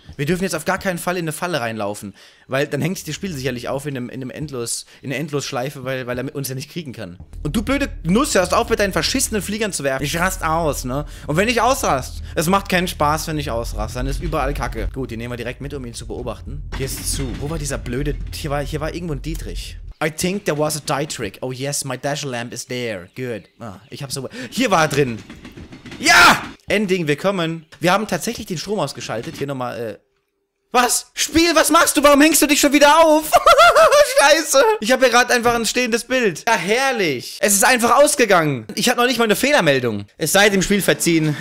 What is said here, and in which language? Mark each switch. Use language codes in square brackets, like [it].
[de] Wir dürfen jetzt auf gar keinen Fall in eine Falle reinlaufen. Weil dann hängt sich das Spiel sicherlich auf in einer Endlosschleife, weil er uns ja nicht kriegen kann. Und du blöde Nuss, hörst auf mit deinen verschissenen Fliegern zu werfen. Ich rast aus, ne? Und wenn ich ausrast, es macht keinen Spaß, wenn ich ausrast. Dann ist überall Kacke. Gut, die nehmen wir direkt mit, um ihn zu beobachten. Hier ist zu. Wo war dieser blöde... Hier war irgendwo ein Dietrich. [en] I think there was a Dietrich. Oh yes, my dash lamp is there. [de] Good. Ah, ich hab so... Hier war er drin. Ja! Ending, wir kommen. Wir haben tatsächlich den Strom ausgeschaltet. Hier nochmal, Was? Spiel, was machst du? Warum hängst du dich schon wieder auf? Scheiße. Ich habe hier gerade einfach ein stehendes Bild. Ja, herrlich. Es ist einfach ausgegangen. Ich habe noch nicht mal eine Fehlermeldung. Es sei dem Spiel verziehen.